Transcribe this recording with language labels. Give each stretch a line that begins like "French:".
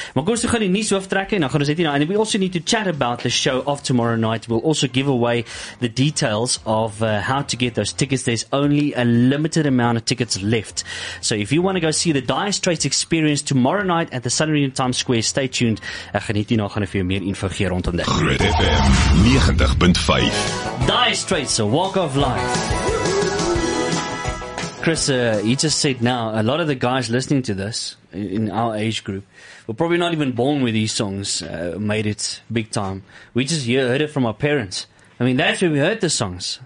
Afrikaans: Maar kom ons gaan die nuus hoofstuk en dan gaan ons net nou,
English: and we also need to chat about the show of tomorrow night. We'll also give away the details of how to get those tickets. There's only a limited amount of tickets left. So if you want to go see the Dire Straits Experience tomorrow night at the Sun Arena Times Square, stay tuned.
Afrikaans: Ek gaan net nou gaan vir jou meer info gee rondom dit. Groot FM 90.5.
English: Dire Straits, a walk of life. Chris, you just said now, a lot of the guys listening to this in our age group were probably not even born with these songs, made it big time. We just heard it from our parents. I mean, that's where we heard the songs.